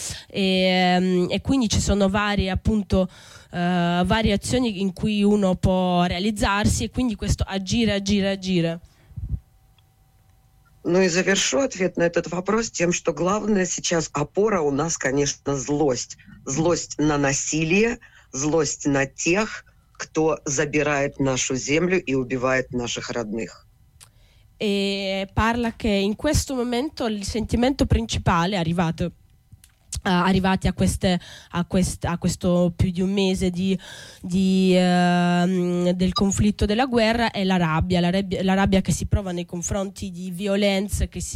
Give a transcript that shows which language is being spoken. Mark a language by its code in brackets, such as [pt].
[it] e quindi ci sono varie appunto varie azioni in cui uno può realizzarsi e quindi questo agire. [ru] Ну и завершу ответ на этот вопрос тем, что главное сейчас опора у нас, конечно, злость. Злость на насилие, злость на тех, кто забирает нашу землю и убивает наших родных. [it] E parla che in questo momento il sentimento principale arrivato arrivati a queste a quest a questo più di un mese del conflitto della guerra è la rabbia che si prova nei confronti di violenze